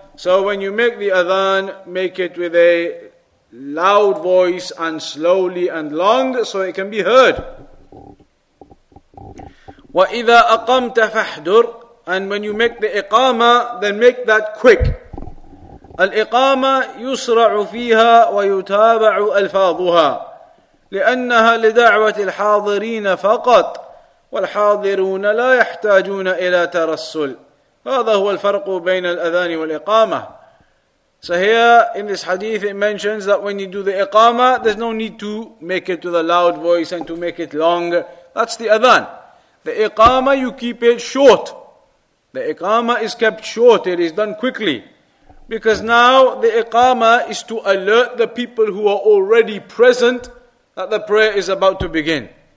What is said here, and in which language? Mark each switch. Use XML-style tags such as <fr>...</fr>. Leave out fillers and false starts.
<en>So when you make the adhan, make it with a loud voice and slowly and long, so it can be heard.</en> <ar>وَإِذَا أَقَمْتَ فَحْدُرْ,</ar> <en>and when you make the iqama, then make that quick.</en> <ar>الإقامة يسرع فيها ويتابع ألفاظها لأنها لدعوة الحاضرين فقط والحاضرون لا يحتاجون إلى ترسل. هذا هو الفرق بين الأذان والإقامة.</ar> <en>So here in this hadith it mentions that when you do the iqama, there's no need to make it with a loud voice and to make it long. That's the adhan. The iqama, you keep it short. The iqama is kept short, it is done quickly. Because now the iqama is to alert the people who are already present that the prayer is about to begin.</en>